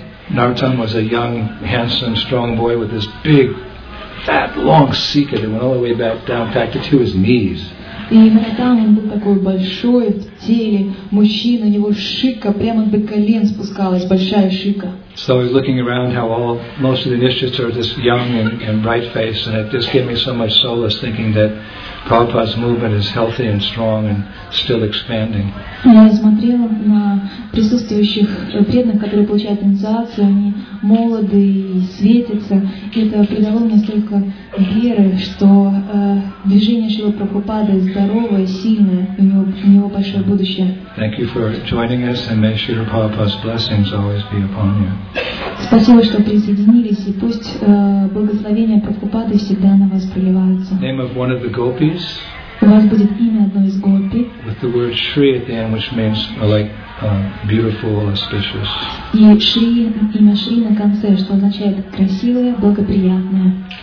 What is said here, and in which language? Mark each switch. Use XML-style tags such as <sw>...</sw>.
<en>Narottam was a young, handsome, strong boy with this big, fat, long sikka that went all the way back down, back to his knees.</en> <ru>И именно там он был такой большой в теле мужчина, у него шика прямо до колен спускалась, большая шика.</ru> <en>So he's looking around how all most of the initiates are this young and bright face, and it just gave me so much solace thinking that Prabhupada's movement is healthy and strong and still expanding.</en> <ru>Я смотрела на присутствующих преданных, которые получают инициацию, они молоды и светятся. Это придало мне столько веры, что движение Шрилы Прабхупады здоровое, сильное, у него большое будущее.</ru> <en>Thank you for joining us, and may Srila Prabhupada's blessings always be upon you.</en> <ru>Спасибо, что присоединились, и пусть благословения Прабхупады всегда на вас проливаются.</ru> <en>Name of one of the gopis.</en> <ru>У вас будет имя одной из гопи.</ru> <en>With the word Shri at the end, which means like beautiful, auspicious.</en> <ru>И Шри, имя Шри на конце, что означает красивое, благоприятное.</ru>